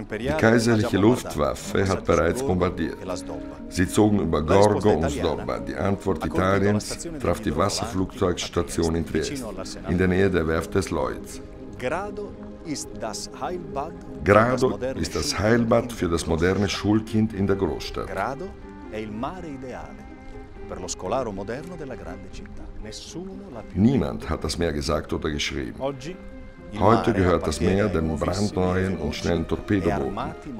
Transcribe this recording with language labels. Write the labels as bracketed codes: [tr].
[de] Die kaiserliche Luftwaffe hat bereits bombardiert. Sie zogen über Gorgo und Sdoba. Die Antwort Italiens traf die Wasserflugzeugstation in Triest, in der Nähe der Werft des Lloyds. Grado ist das Heilbad für das moderne Schulkind in der Großstadt. [it] Grado è il mare ideale per lo scolaro moderno della grande città. [de] Niemand hat das Meer gesagt oder geschrieben. Heute gehört das Meer den brandneuen und schnellen Torpedobooten.